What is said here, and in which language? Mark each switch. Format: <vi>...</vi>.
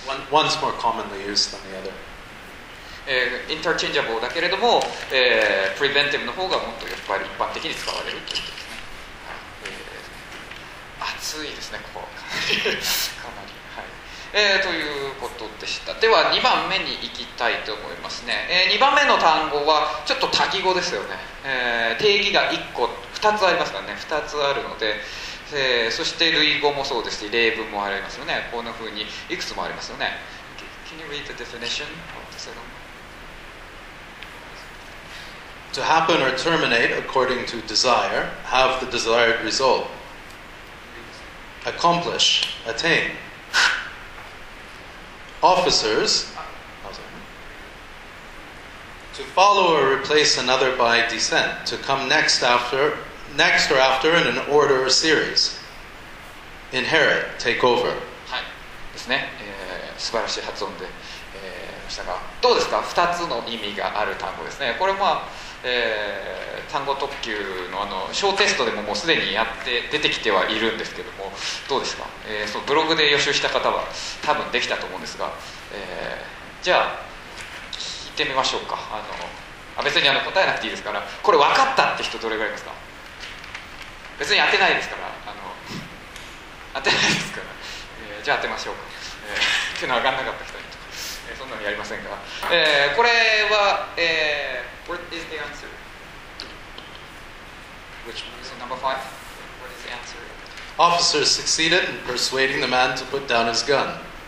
<en>One's more commonly used than the other.</en> <ja>Interchangeable だけれども、preventive の方がもっとやっぱり一般的に使われるということですね。暑いですね、ここかなり、はい。ということでした。では2番目に行きたいと思いますね。 2番目の単語はちょっと多義語ですよね。定義が1個、2つありますからね。 2つあるので。そして類語もそうですし、例文もありますよね。こんな風にいくつもありますよね。</ja> <en>Can you read the definition of the second one? To happen or terminate according to desire, have the desired result, accomplish, attain. Officers, to follow or replace another by descent, to come next or after in an order or series. Inherit, take over.</en> <ja>はい、ですね。素晴らしい発音で、したが、どうですか ?2 つの意味がある単語ですね。これは、単語特急 の小テストでももうすでにやって出てきてはいるんですけども、どうですか、そのブログで予習した方は多分できたと思うんですが、じゃあ、聞いてみましょうか。別に答えなくていいですから、これ分かったって人どれぐらいですか。別に当てないですから、当てないですから、じゃあ当てましょうか、っていうのは分かんなかった人にとか、そんなのやりませんが、これは、</ja> <en>What is the answer? Which one is it? Number five? What is the answer? Officer succeeded in persuading the man to put down his gun.</en>